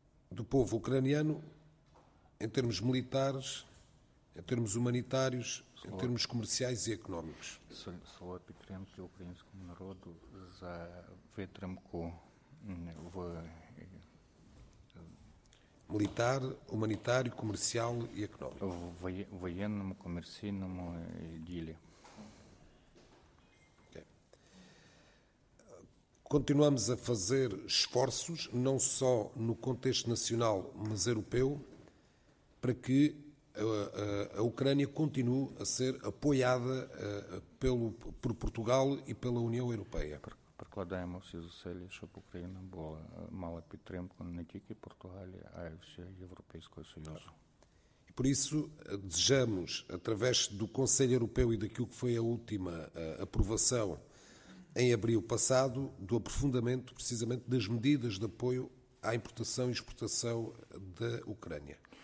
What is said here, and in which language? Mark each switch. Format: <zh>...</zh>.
<pt>do povo ucraniano em termos militares, em termos humanitários, em termos comerciais e económicos.</pt> <uk>Слова підтримки українському народу за витримку в</uk> <pt>Militar, humanitário, comercial e económico.</pt> <uk>Военному, комерційному ділі.</uk> <pt>Continuamos a fazer esforços, não só no contexto nacional, mas europeu, para que a Ucrânia continue a ser apoiada por Portugal e pela União Europeia.</pt> <uk>прикладаємо всі зусилля, щоб Україна була, мала підтримку не тільки Португалії, а й всього Європейського Союзу. Так.</uk> <pt>Por isso, desejamos, através do Conselho Europeu e daquilo que foi a última aprovação em abril passado, do aprofundamento, precisamente, das medidas de apoio à importação e exportação da Ucrânia.</pt>